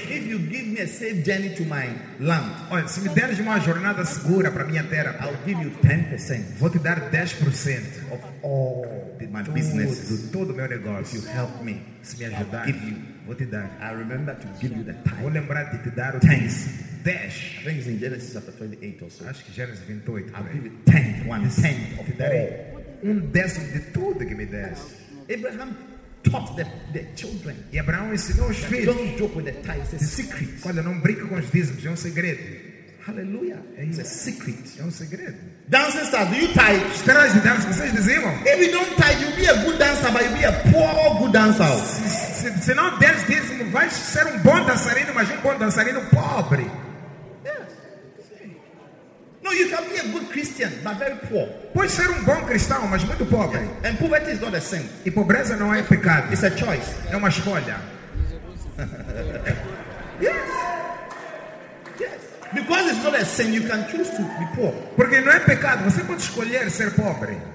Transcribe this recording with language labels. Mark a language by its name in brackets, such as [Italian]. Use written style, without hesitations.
[English] if you give me a safe journey to my land, [Portuguese] olha, se me deres uma jornada segura para minha terra, [English] I'll give you 10%. [Portuguese] Vou te dar 10% [English] of all my business, [Portuguese] de todo meu negócio. [English] If you help me, [Portuguese] se me ajudar, [English] I'll give you, [Portuguese] vou te dar. [English] I remember to give you the tithe. [Portuguese] Vou lembrar de te dar o [English] 10. Dash. I think it's in Genesis chapter 28 or so. [Portuguese] Acho que Gênesis 28. [English] I'll give you 10. One tenth of all. [Portuguese] Um décimo de tudo que me desse. [English] Abraham taught the children. [Portuguese] E Abraão ensinou os filhos. [English] Don't joke with the tithes. It's a secret. [Portuguese] Olha, não brinque com os dízimos. É um segredo. [English] Hallelujah. It's a secret. [Portuguese] É um segredo. [English] Dancing stars, do you tithe? [Portuguese] Estrelas de dança, vocês dizimam? [English] If you don't tithe, you'll be a good dancer, but you'll be a poor good dancer. [Portuguese] Se não deres dízimo, vai ser um bom dançarino, mas um bom dançarino pobre. [English] No, you can be a good Christian, but very poor. [Portuguese] Pode ser bom cristão, mas muito pobre. Yeah. [English] And poverty is not a sin. [Portuguese] E pobreza não é pecado. [English] It's a choice. [Portuguese] É uma escolha. [English] Yes. Yes. Because it's not a sin, you can choose to be poor. [Portuguese] Porque não é pecado, você pode escolher ser pobre.